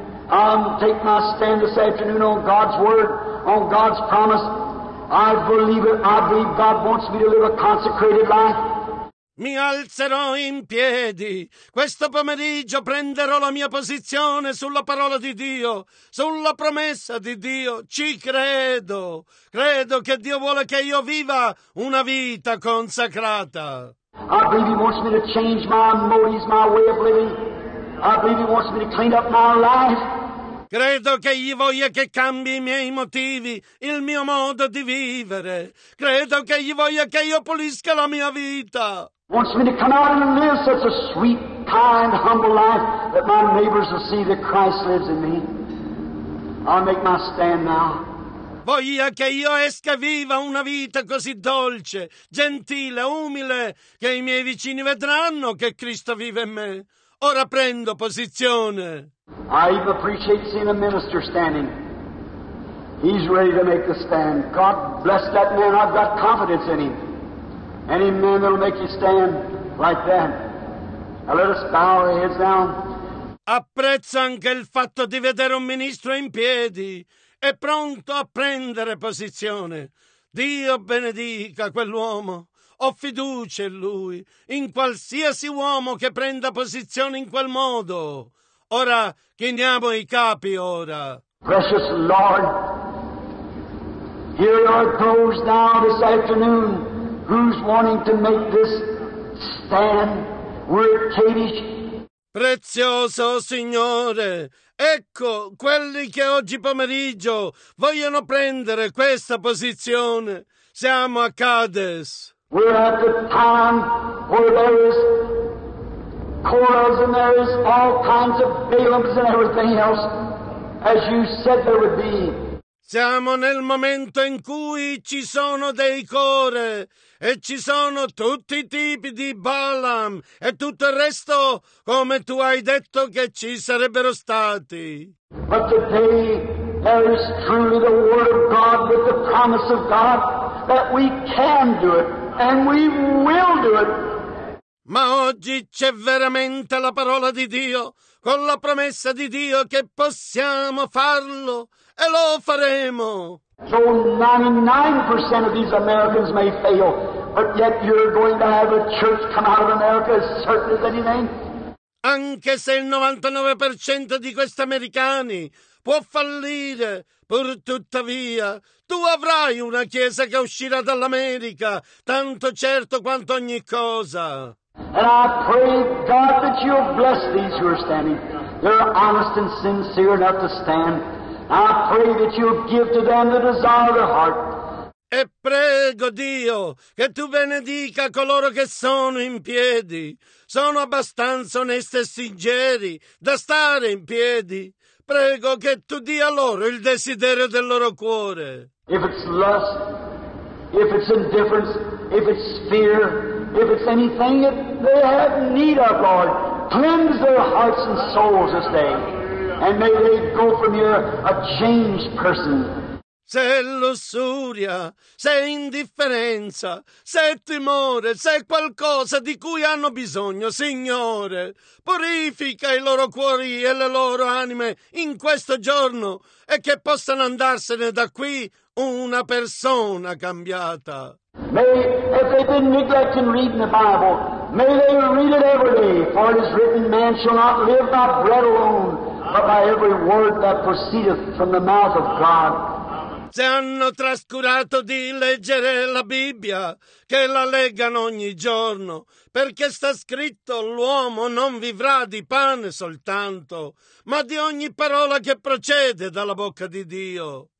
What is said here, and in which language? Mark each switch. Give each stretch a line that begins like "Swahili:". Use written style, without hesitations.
English: I'll take my stand this afternoon on God's word, on God's promise. I believe it. I believe God wants me to live a consecrated life.
Italian: Mi alzerò in piedi. Questo pomeriggio prenderò la mia posizione sulla parola di Dio, sulla promessa di Dio. Ci credo. Credo che Dio vuole che io viva una vita consacrata.
English: I believe He wants me to change my motives, my way of living. I believe He wants me to clean up my life.
Italian: Credo che Egli voglia che cambi i miei motivi, il mio modo di vivere. Credo che Egli voglia che io pulisca la mia vita.
English: Wants me to come out and live such a sweet, kind, humble life that my neighbors will see that Christ lives in me. I'll make my stand now.
Italian: Voglia che io esca e viva una vita così dolce, gentile, umile, che i miei vicini vedranno che Cristo vive in me. Ora prendo posizione.
English: I even appreciate seeing a minister standing. He's ready to make the stand. God bless that man. I've got confidence in him. Any man that'll make you stand like that. Now let us bow our heads down.
Italian: Apprezzo anche il fatto di vedere un ministro in piedi e pronto a prendere posizione. Dio benedica quell'uomo. Ho fiducia in lui, in qualsiasi uomo che prenda posizione in quel modo. Ora chiniamo i capi ora.
English: Precious Lord, here are those now this afternoon who's wanting to make this stand. We're at Kadesh.
Italian: Prezioso Signore, ecco quelli che oggi pomeriggio vogliono prendere questa posizione. Siamo a Kadesh.
English: We're at the time where there is Korahs and there is all kinds of Balaams and everything else, as you said there would be.
Italian: Siamo nel momento in cui ci sono dei core e ci sono tutti i tipi di Balaam e tutto il resto come tu hai detto che ci sarebbero stati.
English: But today there is truly the word of God with the promise of God that we can do it and we will do it.
Italian: Ma oggi c'è veramente la parola di Dio con la promessa di Dio che possiamo farlo. E lo faremo.
English: So 99% of these Americans may fail, but yet you're going to have a church come out of America as certain as anything.
Italian: Anche se il 99% di questi americani può fallire, pur tuttavia, tu avrai una chiesa che uscirà dall'America, tanto certo quanto ogni cosa.
English: And I pray, God, that you'll bless these who are standing. They're honest and sincere enough to stand. I pray that you'll give to them the desire of their heart.
Italian: E prego Dio che tu benedica coloro che sono in piedi. Sono abbastanza onesti e sinceri da stare in piedi. Prego che tu dia loro il desiderio del loro cuore.
English: If it's lust, if it's indifference, if it's fear, if it's anything that they have need of, Lord, cleanse their hearts and souls this day. And may they go from here a changed person.
Italian: Se lussuria, se indifferenza, se timore, se qualcosa di cui hanno bisogno, Signore, purifica i loro cuori e le loro anime in questo giorno e che possano andarsene da qui una persona cambiata.
English: May, if they've been neglecting reading the Bible, may they read it every day, for it is written, man shall not live by bread alone, but by every word that proceedeth from the mouth of God.
Italian: Se hanno trascurato di leggere la Bibbia, che la leggano ogni giorno, perché sta scritto l'uomo non vivrà di pane soltanto, ma di ogni parola che procede dalla bocca di Dio.